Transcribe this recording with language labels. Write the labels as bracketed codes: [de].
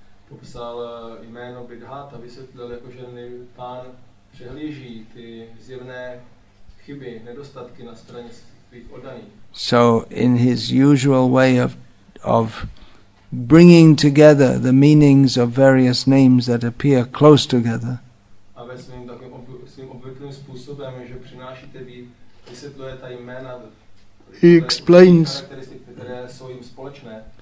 [cs] Popsal jméno Bidhat a vysvětlil, jakože pán přehlíží ty zjevné chyby, nedostatky na straně svých oddaných. [en] So in his usual way of bringing together the meanings of various names that appear close together. [cs] A ve svým takovým obvyklým způsobem, že přináší tebi, vysvětluje ta jména, [en] he explains, [cs] které jsou jim společné.